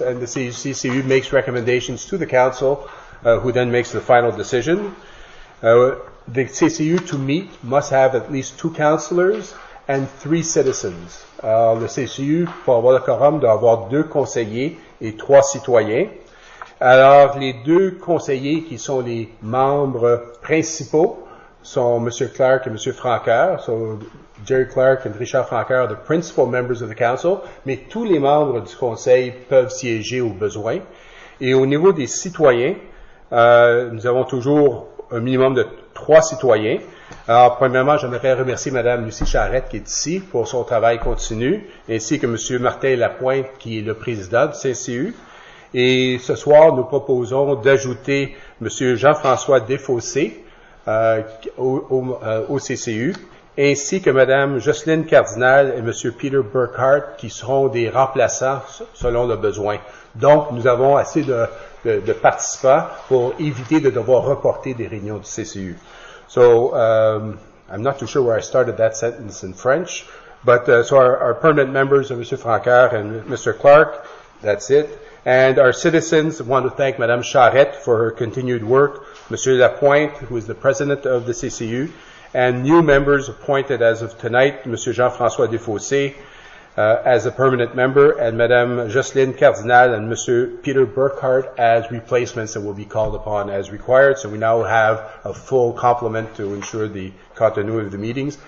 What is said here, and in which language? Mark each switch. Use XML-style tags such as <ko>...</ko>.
<en>And the CCU makes recommendations to the council, who then makes the final decision. the CCU to meet must have at least two councillors and three citizens.</en> <fr>Le CCU, pour avoir le quorum, doit avoir deux conseillers et trois citoyens. Alors, les deux conseillers qui sont les membres principaux sont M.</fr> <en>Clark et M. Francoeur. So, Jerry Clark and Richard Francoeur are the principal members of the council,</en> <fr>mais tous les membres du conseil peuvent siéger au besoin. Et au niveau des citoyens, nous avons toujours un minimum de trois citoyens. Alors, premièrement, j'aimerais remercier Mme Lucie Charrette, qui est ici, pour son travail continu, ainsi que M. Martin Lapointe, qui est le président du CCU. Et ce soir, nous proposons d'ajouter M. Jean-François Desfossés au CCU, ainsi que Mme Jocelyne Cardinal et M. Peter Burkhardt, qui seront des remplaçants selon le besoin. Donc, nous avons assez de participants pour éviter de devoir reporter des réunions du CCU.</fr> <en>So, I'm not too sure where I started that sentence in French, but so our permanent members are Mr. Francoeur and Mr. Clark, that's it. And our citizens want to thank Madame Charrette for her continued work, Monsieur Lapointe, who is the president of the CCU, and new members appointed as of tonight, Monsieur Jean-François Desfossés, as a permanent member, and Madame Jocelyne Cardinal and Monsieur Peter Burkhardt as replacements that will be called upon as required. So we now have a full complement to ensure the continuity of the meetings.</en>